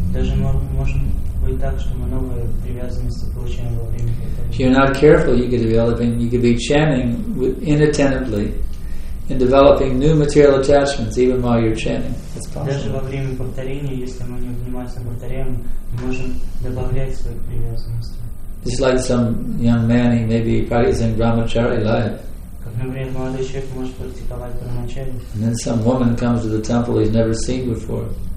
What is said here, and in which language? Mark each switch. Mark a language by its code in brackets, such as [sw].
[ru] Даже можно быть так, что мы новые привязанности получаем во время. [en] If you're not careful, you could be developing. You could be chanting inattentively and developing new material attachments even while you're chanting. That's possible. [ru] Даже во время повторения, если мы не внимательно повторяем, мы можем добавлять свои привязанности. [en] Just like some young man, he maybe practices in brahmachari life. And then some woman comes to the temple he's never seen before.